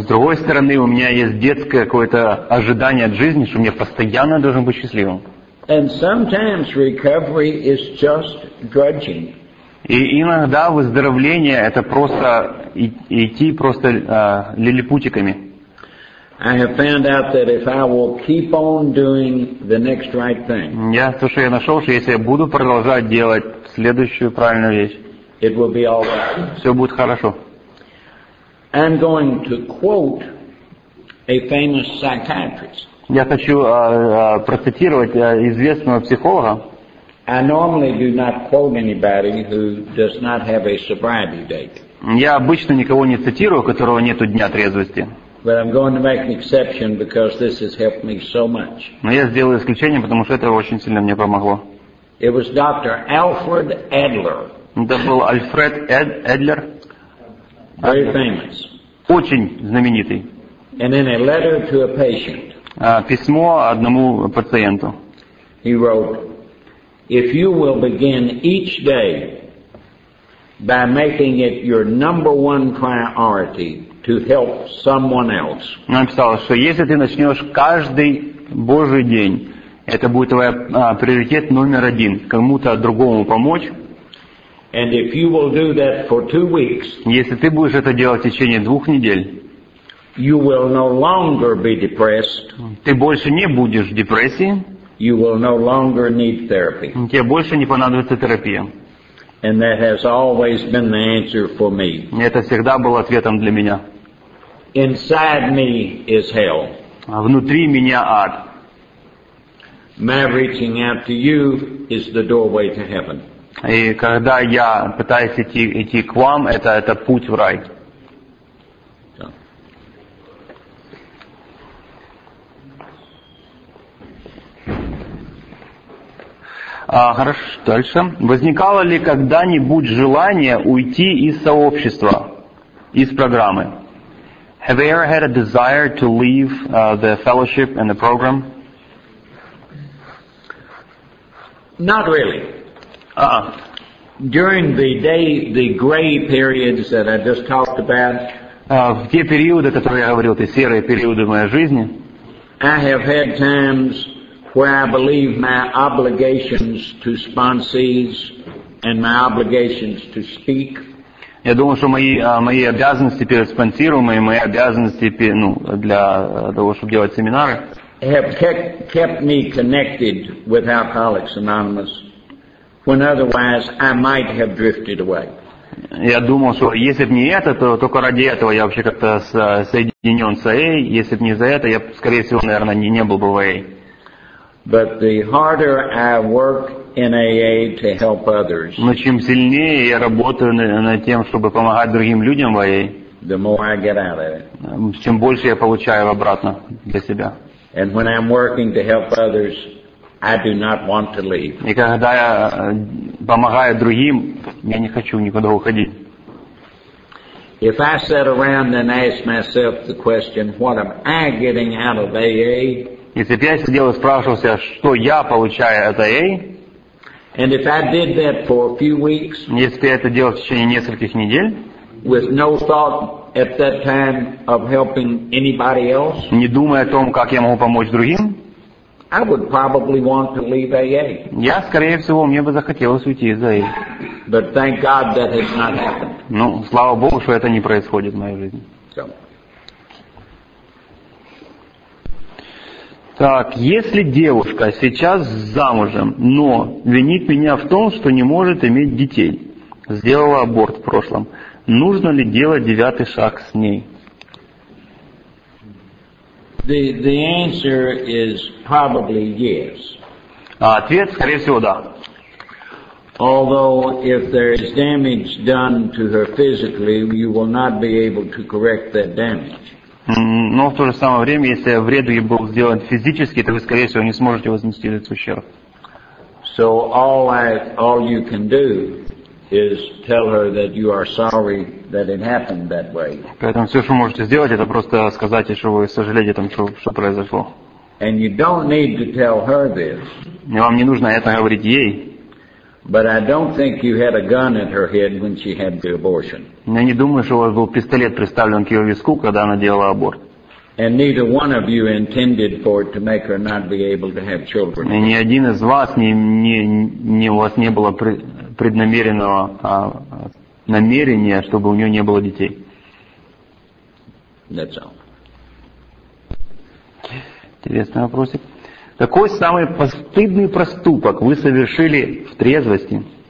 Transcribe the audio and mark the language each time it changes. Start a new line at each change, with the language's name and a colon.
Russian: С другой стороны, у меня есть детское какое-то ожидание от жизни, что мне постоянно должен быть счастливым.
English: And sometimes recovery is just drudging.
Russian: И иногда выздоровление это просто идти просто лилипутиками.
English: I have found out that if I will keep on doing the next right thing.
Russian: Я слушай, я нашел, что если я буду продолжать делать следующую правильную вещь,
English: it will be all right.
Russian: Все будет хорошо.
English: I'm going to quote a famous psychiatrist.
Russian: Я хочу процитировать известного психолога.
English: I normally do not quote anybody who does not have a sobriety date.
Russian: Я обычно никого не цитирую, у которого нету дня трезвости.
English: But I'm going to make an exception because this has helped me so much.
Russian: Но я сделаю исключение, потому что это очень сильно мне помогло.
English: It was Dr. Alfred Adler.
Russian: Это был Альфред Эдлер.
English: Very famous.
Russian: Очень знаменитый.
English: And in a letter to a patient.
Russian: Письмо одному пациенту.
English: He wrote, "If you will begin each day by making it your number one priority to help someone else."
Russian: Написал, что если ты начнешь каждый Божий день, это будет твоя приоритет номер один, кому-то другому помочь.
English: And if you will do that for 2 weeks,
Russian: если ты будешь это делать в течение 2 недель.
English: You will no longer be depressed.
Russian: Ты больше не будешь в депрессии.
English: You will no longer need therapy.
Russian: Тебе больше не понадобится терапия.
English: And that has always been the answer for me.
Russian: Это всегда было ответом для меня.
English: Inside me is hell.
Russian: А внутри меня ад.
English: My reaching out to you is the doorway to heaven.
Russian: И когда я пытаюсь идти к вам, это путь в рай. Хорошо, дальше. Возникало ли когда-нибудь желание уйти из сообщества, из программы?
English: Have you ever had a desire to leave the fellowship and the program? Not really. During the gray periods that I just talked about.
Russian: В те периоды, которые я говорил, те серые периоды в моей жизни.
English: I have had times where I believe my obligations to sponsees and my obligations to speak.
Russian: Я думал, что мои обязанности перед спонсируемой, мои обязанности, ну, для того, чтобы делать семинары,
English: kept me connected with Alcoholics Anonymous, when otherwise I might have drifted away.
Russian: Я думал, что если бы не это, то только ради этого я вообще как-то соединен с АА. Если бы не за это, я, скорее всего, наверное, не был бы в АА.
English: But the harder I work in AA to help others,
Russian: но чем сильнее я работаю над тем, чтобы помогать другим людям в АА,
English: the more I get out of it.
Russian: Чем больше я получаю обратно для себя.
English: And when I'm working to help others, I do not want to leave.
Russian: И когда я помогаю другим, я не хочу никуда уходить.
English: If I sat around and asked myself the question, what am I getting out of AA?
Russian: Если бы я сидел и спрашивал себя, что я получаю от АА,
English: and if I did that for a few weeks,
Russian: если бы я это делал в течение нескольких недель,
English: with no thought at that time of helping anybody else,
Russian: не думая о том, как я могу помочь другим,
English: I would probably want to leave AA.
Russian: Я, скорее всего, мне бы захотелось уйти из АА.
English: But thank God that has not happened.
Russian: Ну, слава Богу, что это не происходит в моей жизни.
English: So.
Russian: Так, если девушка сейчас замужем, но винит меня в том, что не может иметь детей, сделала аборт в прошлом, нужно ли делать девятый шаг с ней?
English: The answer is probably yes.
Russian: Ответ, скорее всего, да.
English: Although if there is damage done to her physically, you will not be able to correct that damage.
Russian: Но в то же самое время, если вред ей был сделан физически, то вы, скорее всего, не сможете вознести этот ущерб.
English: So all you can do is tell her that you are sorry that it happened that way.
Russian: Поэтому все, что можете сделать, это просто сказать ей, что вы сожалеете о том, что произошло.
English: And you don't need to tell her this.
Russian: И вам не нужно это говорить ей.
English: But I don't think you had a gun at her head when she had the abortion.
Russian: Я не думаю, что у вас был пистолет приставлен к ее виску, когда она делала аборт.
English: And neither one of you intended for it to make her not be able to have children.
Russian: И ни один из вас не у вас не было преднамеренного намерения, чтобы у нее не было детей.
English: That's all.
Russian: Интересный вопросик. Какой самый постыдный проступок вы совершили в трезвости?